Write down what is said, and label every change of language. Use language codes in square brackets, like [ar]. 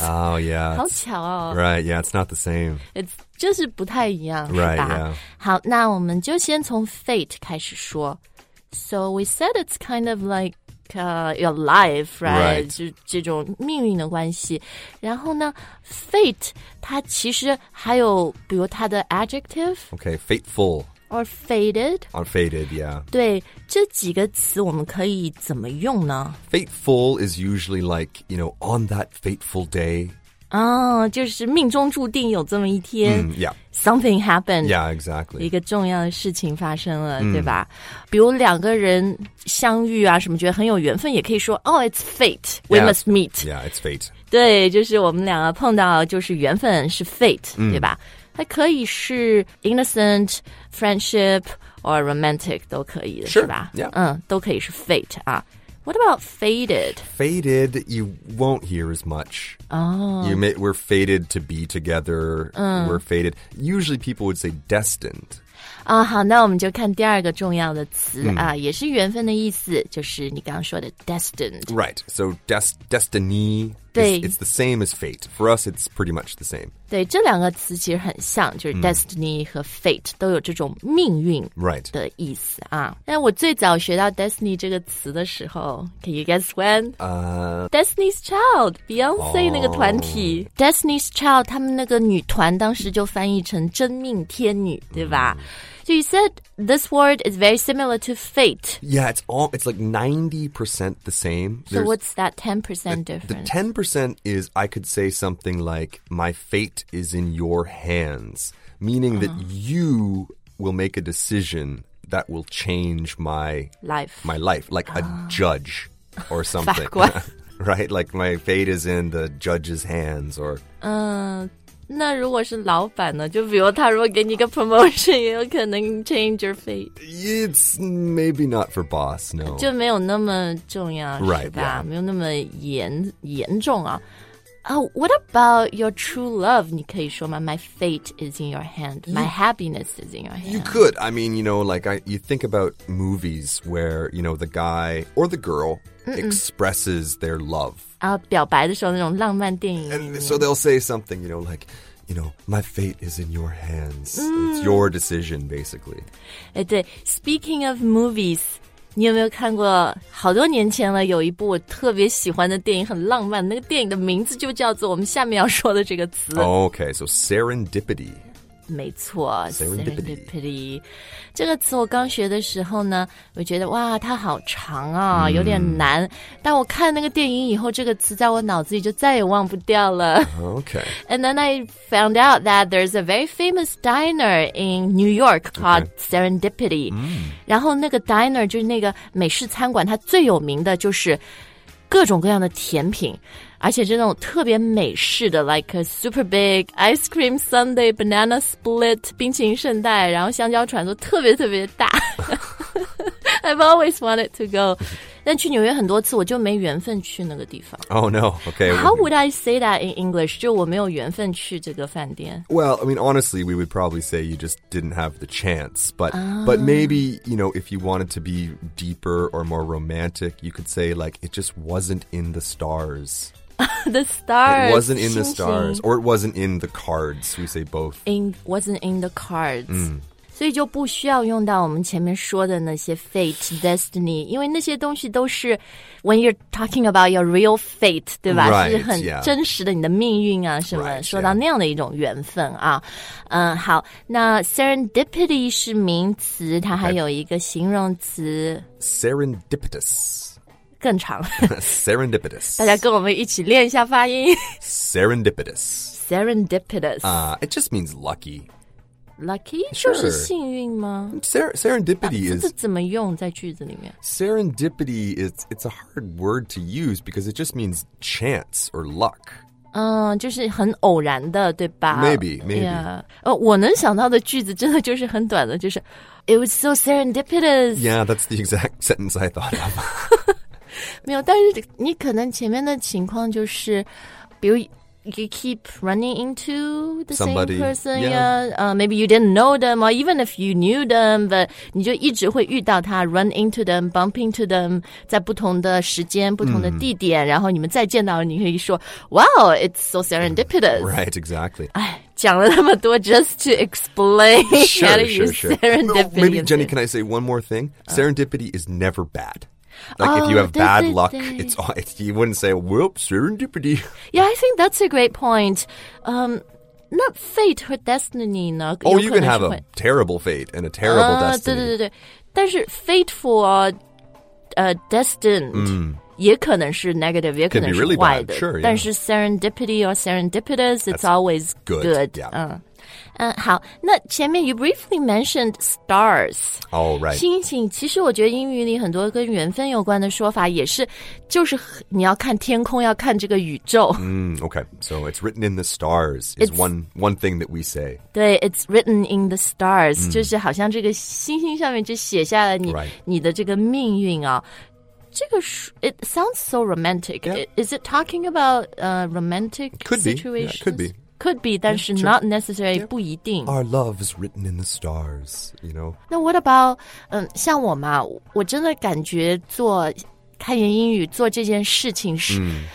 [en] Oh, yeah. [zh] 好巧哦。 [en] Right, yeah, it's not the same. [zh] It's 就是不太一样。 [en] Right, [zh] 是吧？ [en] Yeah. [zh] 好，那我们就先从 fate 开始说。 [en] So we said it's kind of like your life, right? Right. [zh] 就这种命运的关系。然后呢 fate 它其实还有比如它的 adjective. [en] Okay, fateful. Or fated. Or fated, yeah. [zh] 对，这几个词我们可以怎么用呢？ [en] Fateful is usually like, you know, on that fateful day. [zh] 哦，就是命中注定有这么一天。 [en] Yeah. Something happened. Yeah, exactly. [zh] 一个重要的事情发生了，对吧？比如两个人相遇啊，什么觉得很有缘分，也可以说 [en] Oh, it's fate. We must meet. Yeah, it's fate. [zh] 对，就是我们两个碰到，就是缘分是 fate, 对吧？它可以是 [en] innocent, friendship, or romantic [zh] 都可以的 [en] sure, [zh] 是吧、 [en] yeah. [zh] 都可以是 fate 啊。 [en] What about fated? Fated, you won't hear as much. Oh. We're fated to be together. We're fated. Usually people would say destined. [zh] 哦，好，那我们就看第二个重要的词啊，也是缘分的意思，就是你刚刚说的 destined. [en] Right, so destiny. It's the same as fate. For us, it's pretty much the same. [zh] 对，这两个词其实很像，就是 destiny 和 fate 都有这种命运的意思啊。 [en] Right. [zh] 但我最早学到 destiny 这个词的时候 ， [en] Can you guess when? [zh] Destiny's Child, Beyonce 那个团体 ，Destiny's Child 他们那个女团当时就翻译成真命天女，对吧？ [en] So you said this word is very similar to fate. Yeah, it's like 90% the same. So what's that 10% difference? The 10% is I could say something like, my fate is in your hands, meaning that you will make a decision that will change my life. My life, like a judge or something. Right? Like my fate is in the judge's hands or... [zh] 那如果是老板呢？就比如他如果给你一个 promotion， 也有可能 [en] change your fate. It's maybe not for boss, no. [zh] 就没有那么重要， [en] right, [zh] 是吧？ [en] Yeah. [zh] 没有那么严重啊。 [en] What about your true love? [zh] 你可以说吗? [en] My fate is in your hand. My happiness is in your hand. You could. I mean, you know, like, you think about movies where, you know, the guy or the girl、Mm-mm. expresses their love. [zh] 表白的时候那种浪漫电影。 [en] And so they'll say something, you know, like... You know, my fate is in your hands.、Mm. It's your decision, basically. [zh] 对 [en] speaking of movies, [zh] 你有没有看过好多年前了有一部我特别喜欢的电影很浪漫那个电影的名字就叫做我们下面要说的这个词。 [en] Okay, so serendipity. [zh] 没错 serendipity. 这个词我刚学的时候呢我觉得哇它好长啊、mm. 有点难。但我看那个电影以后这个词在我脑子里就再也忘不掉了。 [en] Okay. And then I found out that there's a very famous diner in New York called、okay. Serendipity.、Mm. [zh] 然后那个 diner 就是那个美式餐馆它最有名的就是各种各样的甜品。而且这种特别美式的 [en] like a super big ice cream sundae banana split [zh] 冰淇淋圣代然后香蕉船都特别特别大 [en] I've always wanted to go [zh] 但去纽约很多次我就没缘分去那个地方 [en] Oh no, okay How would I say that in English? [zh] 就我没有缘分去这个饭店 [en] Well, I mean, honestly, we would probably say you just didn't have the chance but,、but maybe, you know, if you wanted to be deeper or more romantic you could say like it just wasn't in the stars the stars. It wasn't in the stars. Or it wasn't in the cards. We say both. Wasn't in the cards.、Mm. [zh] 所以就不需要用到我们前面说的那些 fate, destiny. 因为那些东西都是 [en] when you're talking about your real fate, [zh] 对吧 [en] right, [zh] 是很真实的你的命运啊什么 [en] right, [zh] 说到那样的一种缘分啊。嗯好那 serendipity 是名词它还有一个形容词。 [en] Serendipitous. [zh] 更长 [en] Serendipitous [zh] 大家跟我们一起练一下发音 [en] Serendipitous Serendipitous、 It just means lucky Lucky?、 Sure. [zh] 就是幸运吗 [en] Serendipity is [zh] 这个怎么用在句子里面 [en] Serendipity is It's a hard word to use Because it just means chance or luck、 [zh] 就是很偶然的对吧 [en] Maybe、 yeah. [zh] 我能想到的句子真的就是很短的就是 [en] It was so serendipitous Yeah that's the exact sentence I thought of [zh] 没有但是你可能前面的情况就是比如 [en] you keep running into the Somebody, same person yeah. Yeah,、maybe you didn't know them or even if you knew them but [zh] 你就一直会遇到他 [en] run into them bump into them [zh] 在不同的时间不同的地点、 [en] mm. [zh] 然后你们再见到你可以说 [en] wow it's so serendipitous right exactly [zh] 哎讲了那么多 [en] just to explain sure, how to sure, use serendipity sure. maybe Jenny can I say one more thing、serendipity is never badLike,、if you have bad luck, you wouldn't say, whoop, serendipity. Yeah, I think that's a great point.、not fate or destiny, no. Oh, you can have a terrible fate and a terrible destiny. [zh] 对对对但是 fateful or、destined、mm. 也可能是 negative, 也可能是坏的 [en] really bad, sure,、yeah. [zh] 但是 [en] serendipity or serendipitous, it's、 always good. Good, yeah.、 [zh] 好那前面 [en] you briefly mentioned stars. Oh, right. [zh] 星星其实我觉得英语里很多跟缘分有关的说法也是就是你要看天空要看这个宇宙。 [en] Okay, so it's written in the stars is one thing that we say. [zh] 对 it's written in the stars,、mm. 就是好像这个星星上面就写下了你、 [en] right. [zh] 你的这个命运啊。这个 [en] it sounds so romantic.、 Yeah. Is it talking about romantic could situations? Be. Yeah, could be. Could be, [zh] 但是 [en] yeah, not necessary,、yeah. [zh] 不一定。 [en] Our love is written in the stars, you know. [zh] 那 [en] what about,、 [zh] 像我嘛，我真的感觉做开言英语做这件事情是、mm.